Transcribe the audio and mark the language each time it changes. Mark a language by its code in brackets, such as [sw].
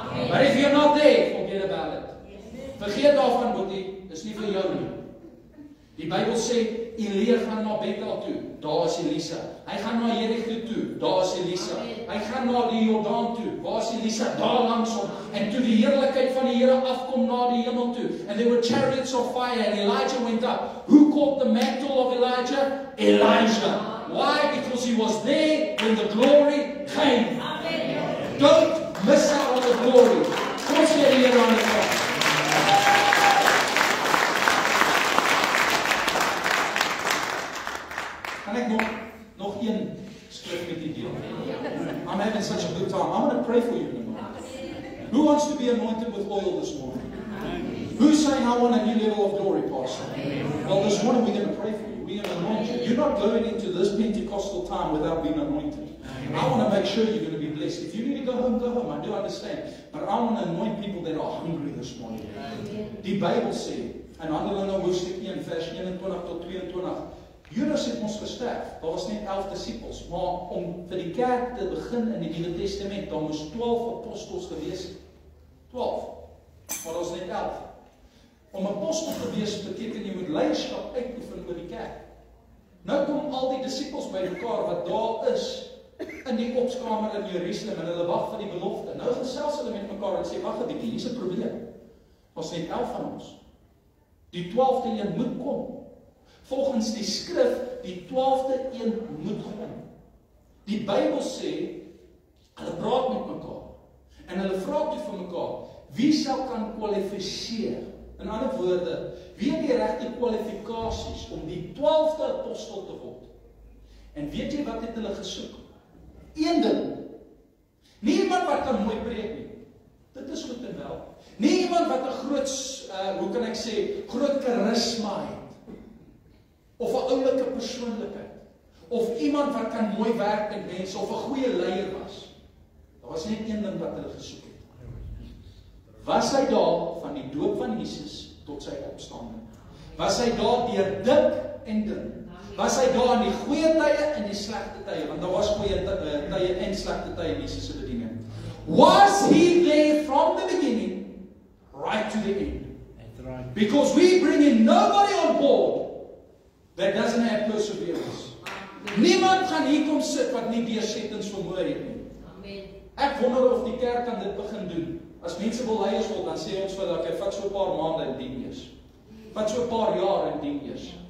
[en] But if you're not there, forget about it. [af] Vergeet daarvan, boetie, is nie vir jou nie. Die Bybel sê, Elia gaan na Bethel toe, daar is Elisa. Hy gaan na Jericho toe, daar is Elisa. Hy gaan na die Jordaan toe, waar is Elisa, daar langs hom. En toe die heerlikheid van die Here afkom na die hemel toe. [en] And there were chariots of fire and Elijah went up. Who caught the mantle of Elijah? Elijah. Why? Because he was there when the glory came. Don't miss out on the glory. Cross your ear on the cross. [af] Kan ek nog een skrif met die deel? [en] I'm having such a good time. I'm going to pray for you in the morning. Who wants to be anointed with oil this morning? Who's saying I want a new level of glory, Pastor? Well, this morning we're going to pray for you. We're going to anoint you. You're not going into this Pentecostal time without being anointed. I want to make sure you're going to be blessed. If you need to go home, go home. I do understand. But I want to anoint people that are hungry this morning. [af] Die Bybel sê, in Handelinge hoofstuk 1 vers 21 tot 22, Judas het ons gesterf, daar was net 11 disciples, maar om vir die kerk te begin in die Nuwe Testament, daar moes 12 apostels gewees, 12, maar daar was net 11. Om apostel te wees beteken jy moet leierskap uitoefen oor die kerk. Nou kom al die disciples by mekaar wat daar is, in die opskamer in Jerusalem en hulle wag vir die belofte. Nou gesels hulle met mekaar en sê, wag 'n bietjie, hier's 'n probleem. Daar was net 11 van ons. Die 12de een moet kom. Volgens die skrif, die 12de een moet kom. Die Bybel sê, hulle praat met mekaar, en hulle vra toe vir mekaar, wie sal kan kwalifiseer? In ander woorde, wie het die regte kwalifikasies om die 12de apostel te word? En weet jy wat het hulle gesoek? Een ding, nie iemand wat kan mooi preek nie, dit is goed en wel, nie iemand wat 'n groot, hoe kan ek sê, groot karisma het, of 'n oulike persoonlikheid, of iemand wat kan mooi werk met mense, of 'n goeie leier was. Daar was net een ding wat hulle gesoek het. Was hy daar van die doop van Jesus tot sy opstanding? Was hy daar deur dik en dun? Was hy daar in die goeie tye en die slegte tye? Want daar was goeie tye en slegte tye in Jesus se bediening. [en] Was he there from the beginning right to the end? Because we bring in nobody on board that doesn't have perseverance. [af] Niemand gaan hier kom sit wat nie deursettings vermoë het nie. Amen. Ek wonder of die kerk kan dit begin doen. As mense wil leiers word, dan sê ons vir hulle, okay, vat so 'n paar maande en dien eers. Vat so 'n paar jaar en dien eers.